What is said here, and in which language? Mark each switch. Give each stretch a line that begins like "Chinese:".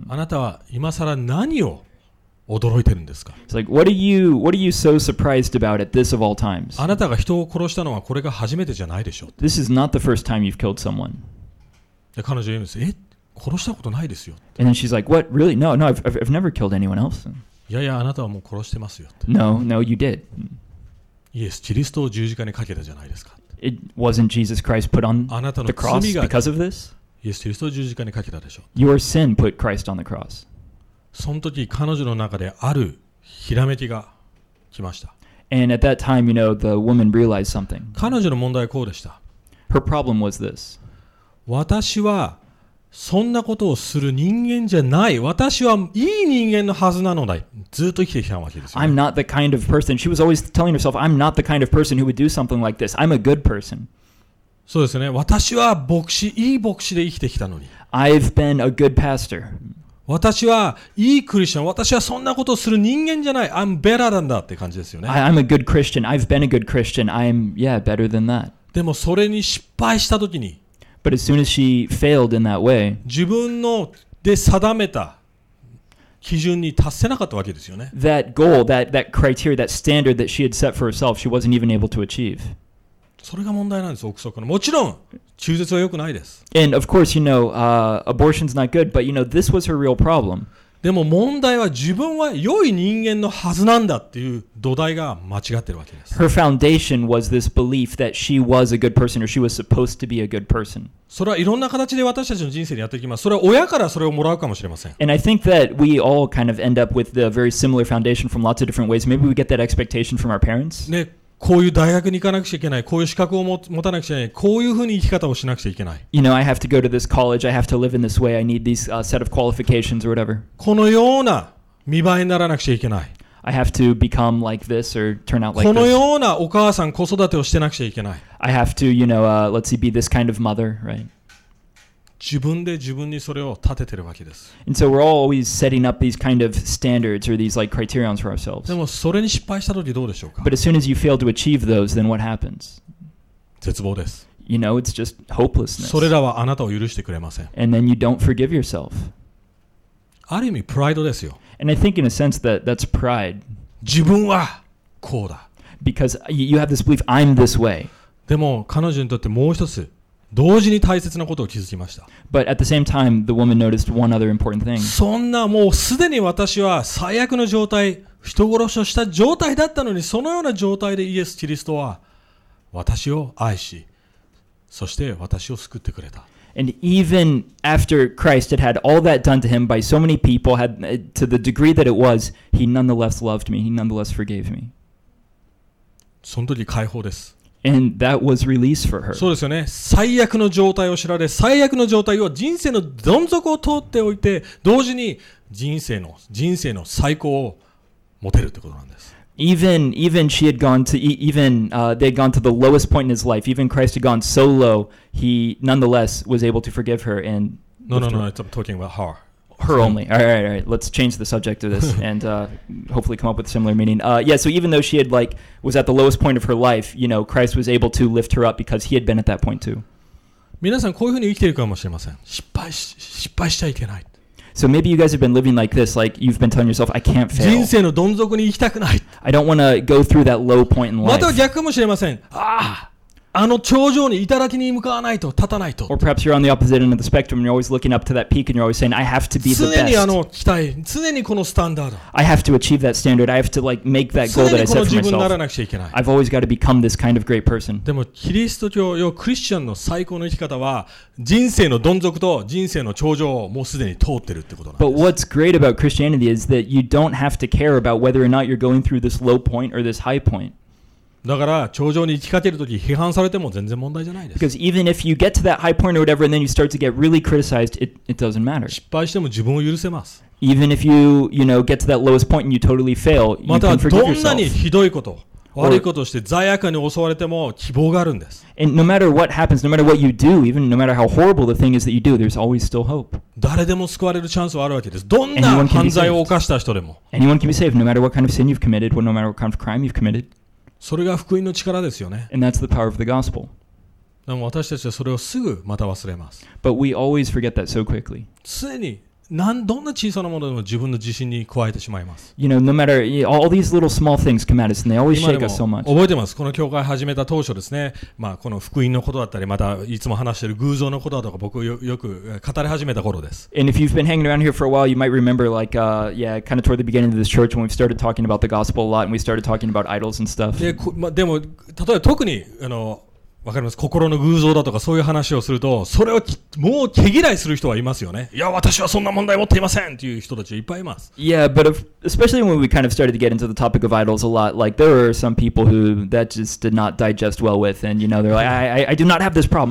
Japanese: あなたは今さら何を驚いてるんですか。
English: It's like, what are you so surprised about at this of all times?
Japanese: あなたが人を殺したのはこれが初めてじゃないでしょう。
English: This is not the first time you've killed someone.
Japanese: で彼女言うんです。え、殺したことないですよ。
English: And then she's like, "What? Really? No, no. I've never killed anyone else."
Japanese: いやいや、あなたはもう殺してますよ。
English: No, no, you did.
Japanese: Yes, キリストを十字架にかけたじゃないですか。
English: It wasn't Jesus Christ put on the cross because of this?
Japanese: Yes, キリストを十字架にかけたでしょう。
English: Your sin put Christ on the cross.
Japanese: その時彼女の中であるひらめきが来ました。
English: And at that time, you know, the woman realized something.
Japanese: 彼女の問題はこうでした。
English: Her problem was this.
Japanese: 私はそんなことをする人間じゃない。私はいい人間のはずなのだ。ずっと生きてきたわけですよ。
English: I'm not the kind of person. She was always telling herself, I'm not the kind of person who would do something like this. I'm a good person.
Japanese: そうですね。私は牧師、いい牧師で生きてきたのに。
English: I've been a good pastor.
Japanese: 私はいいクリスチャン。私はそんなことをする人間じゃない。
English: I'm better than that
Japanese: って感じですよね。
English: I'm a good Christian. I've been a good Christian. I'm, yeah, better than that.
Japanese: でもそれに失敗したときに、
English: But as soon as she failed in that way,
Japanese: 自分ので定めた基準に達せなかったわけですよね。
English: That goal, that criteria, that standard that she had set for herself, she wasn't even able to achieve.
Japanese: それが問題なんです、憶測の。もちろん、中絶は良くないです。
English: And of course, you know, abortion's not good, but you know, this was her real problem.
Japanese: でも問題は自分は良い人間のはずなんだっていう土台が間違ってるわけです。
English: Her foundation was this belief that she was a good person or she was supposed to be a good person.
Japanese: それはいろんな形で私たちの人生にやってきます。それは親からそれをもらうかもしれません。
English: And I think that we all kind of end up with a very similar foundation from lots of different ways. Maybe we get that expectation from our parents.
Japanese: ね、こういう大学に行かなくちゃいけない。こういう資格を持たなくちゃいけない。こういうふうに生き方をしなくちゃいけない。
English: You know, I have to go to this college. I have to live in this way. I need these, set of qualifications or whatever.
Japanese: このような見栄えにならなくちゃいけない。
English: I have to become like this or turn out like
Japanese: this. このようなお母さん、子育てをしてなくちゃいけない。
English: I have to, you know, let's see, be this kind of mother, right?
Japanese: 自分で自分にそれを立ててるわけです。
English: And so we're all always setting up these kind of standards or these like criterions for ourselves.
Japanese: でもそれに失敗したときどうでしょうか?
English: But as soon as you fail to achieve those, then what happens?
Japanese: 絶望です。
English: You know, it's just hopelessness.
Japanese: それらはあなたを許してくれません。
English: And then you don't forgive yourself.
Japanese: ある意味、プライドですよ。
English: And I think in a sense that that's pride.
Japanese: 自分はこうだ。
English: Because you have this belief, I'm this way.
Japanese: でも彼女にとってもう一つ、同時に大切なことを気づきました。
English: But at the same time, the woman noticed one other important thing.
Japanese: そんなもうすでに私は最悪の状態、人殺しをした状態だったのに、そのような状態でイエス・キリストは私を愛し、そして私を救ってくれた。
English: And even after Christ had had all that done to him by so many people, had to the degree that it was, he nonetheless loved me. He nonetheless forgave me.
Japanese: その時解放です。
English: And that was release for her.
Japanese: そうですよね。最悪の状態を知られ、最悪の状態を人生のどん底を通っておいて、同時に人生の最高を持てるってことなんです。
English: Even she had gone to they had gone to the lowest point in his life. Even Christ had gone so low, he nonetheless was able to forgive her and No, no, no. I'm talking about her. Her only. All right. Let's change the subject of this and hopefully come up with similar meaning. Yeah, so even though she had like was at the lowest point of her life, you know, Christ was able to lift her up because he had been at that point too.
Japanese: 皆さんこういうふうに生きているかもしれません。失敗しちゃいけない。
English: So maybe you guys have been living like this, like you've been telling yourself, I can't fail.
Japanese: 人生のどん底に行きたくない。
English: I don't want to go through that low point in life.
Japanese: また逆かもしれません。あの頂上に頂きに向かわないと立たないと。
English: Or perhaps you're on the opposite end of the spectrum, you're always looking up to that peak and you're always saying, I have to be the best.
Japanese: 常にあの期待、常にこのスタンダード。
English: I have to achieve that standard, I have to like make that goal that I set for myself.
Japanese: 常にこの自分にならなくちゃいけない。
English: I've always got to become this kind of great person.
Japanese: でもキリスト教よ、クリスチャンの最高の生き方は、人生のどん底と人生の頂上をもうすでに通ってるってことなんです。
English: But what's great about Christianity is that you don't have to care about whether or not you're going through this low point or this high point.
Japanese: だから頂上に行きかけるとき批判されても全然問題じゃないです。
English: Because even if you get to that high point or whatever and then you start to get really criticized, it doesn't matter.
Japanese: 失敗しても自分を許せます。
English: Even if you know, get to that lowest point and you totally fail, you can forgive yourself.
Japanese: またどんなにひどいこと、悪いことをして罪悪感に襲われても希望があるんです。
English: And no matter what happens, no matter what you do, even no matter how horrible the thing is that you do, there's always still hope.
Japanese: 誰でも救われるチャンスはあるわけです。どんな犯罪を犯した人でも。
English: Anyone can be saved, no matter what kind of sin you've committed, no matter what kind of crime you've committed.
Japanese: それが福音の力ですよね。
English: And that's the power of the gospel.
Japanese: でも私たちはそれをすぐまた忘れます。
English: But we always forget that so quickly.
Japanese: 常に何どんな小さなものでも自分の自信に加えてしまいます。
English: You know, no matter all these little small things come at us and they always shake us so much.
Japanese: 覚えてます。この教会始めた当初ですね。まあこの福音のことだったり、またいつも話している偶像のことだとか、僕よく語り始めた頃です。
English: And if you've been hanging around here for a while, you might remember like, kind of toward the beginning of this church when we started talking about the gospel a lot and we started talking about idols and stuff.
Japanese: でも例えば特にわかります。心の偶像だとかそういう話をすると、それをもう毛嫌いする人はいますよね。いや、私はそんな問題持っていませんという人たちいっぱいいます。
English: Yeah, but especially when we kind of started to get into the topic of idols a lot, like there were some people who that just did not digest well with, and you know, they're like, I do not have this problem.